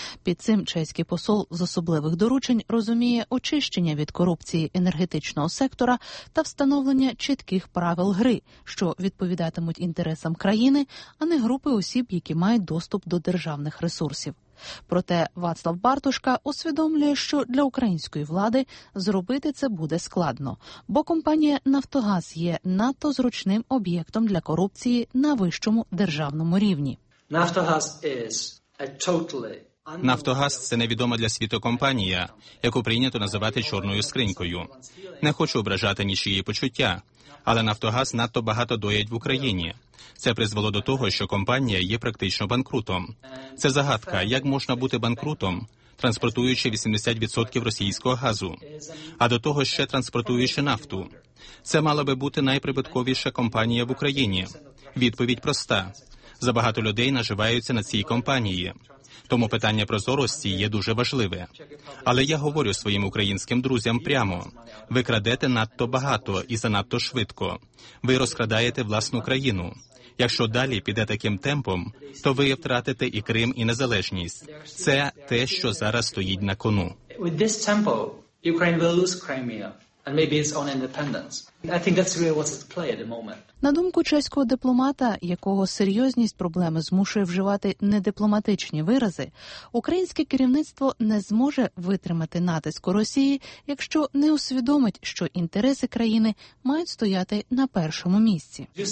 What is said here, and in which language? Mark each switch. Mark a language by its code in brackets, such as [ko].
[uk] Під цим чеський посол з особливих доручень розуміє очищення від корупції енергетичного сектора та встановлення чітких правил гри, що відповідатимуть інтересам країни, а не групи осіб, які мають доступ до державних ресурсів. Проте Вацлав Бартушка усвідомлює, що для української влади зробити це буде складно, бо компанія «Нафтогаз» є надто зручним об'єктом для корупції на вищому державному рівні. [en] «Нафтогаз» is a totally [uk] Нафтогаз – це невідома для світу компанія, яку прийнято називати чорною скринькою. Не хочу ображати нічиї почуття, але Нафтогаз надто багато доїть в Україні. Це призвело до того, що компанія є практично банкрутом. Це загадка, як можна бути банкрутом, транспортуючи 80% російського газу, а до того ще транспортуючи нафту. Це мала би бути найприбутковіша компанія в Україні. Відповідь проста. Забагато людей наживаються на цій компанії. Тому питання прозорості є дуже важливе. Але я говорю своїм українським друзям прямо. Ви крадете надто багато і занадто швидко. Ви розкрадаєте власну країну. Якщо далі піде таким темпом, то ви втратите і Крим, і незалежність. Це те, що зараз стоїть на кону. [en] With this tempo, Ukraine will lose Crimea and maybe its own independence. I think that's really what's at play at the moment. [uk] На думку чеського дипломата, якого серйозність проблеми змушує вживати недипломатичні вирази, українське керівництво не зможе витримати натиск Росії, якщо не усвідомить, що інтереси країни мають стояти на першому місці.